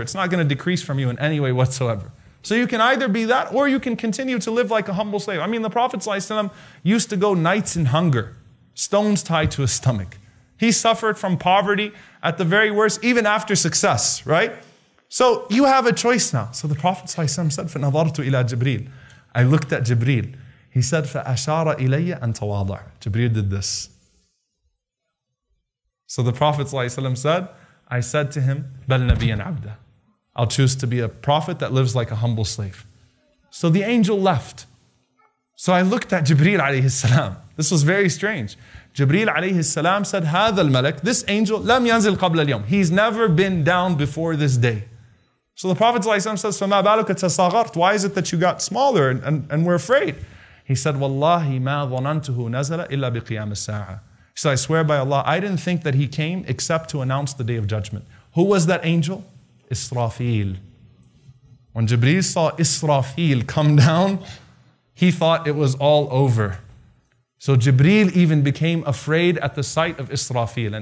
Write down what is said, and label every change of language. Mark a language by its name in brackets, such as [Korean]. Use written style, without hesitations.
[English] It's not going to decrease from you in any way whatsoever. So you can either be that, or you can continue to live like a humble slave. I mean, the Prophet alayhi salam used to go nights in hunger. Stones tied to his stomach. He suffered from poverty at the very worst, even after success, right? So you have a choice now. So the Prophet ﷺ said, [Arabic] فَنَظَرْتُ إِلَىٰ جِبْرِيلِ. [English] I looked at Jibreel. He said, [Arabic] فَأَشَارَ إِلَيَّ أَنْ تَوَاضَعُ. [English] Jibreel did this. So the Prophet ﷺ said, I said to him, [Arabic] بَلْ نَبِيًا عَبْدًا. [English] I'll choose to be a prophet that lives like a humble slave. So the angel left. So I looked at Jibreel alayhi salam. This was very strange. Jibreel alayhi salam said, [Arabic] هذا الملك, [English] this angel, [Arabic] لم ينزل قبل اليوم. [English] He's never been down before this day. So the Prophet ﷺ says, [Arabic] فما بالك تصغرت. [English] Why is it that you got smaller and we're afraid? He said, [Arabic] والله ما ظننته نزل إلا بقيام الساعة. [English] He said, I swear by Allah, I didn't think that he came except to announce the day of judgment. Who was that angel? Israfil. When Jibreel saw Israfil come down, he thought it was all over. So Jibreel even became afraid at the sight of Israfil.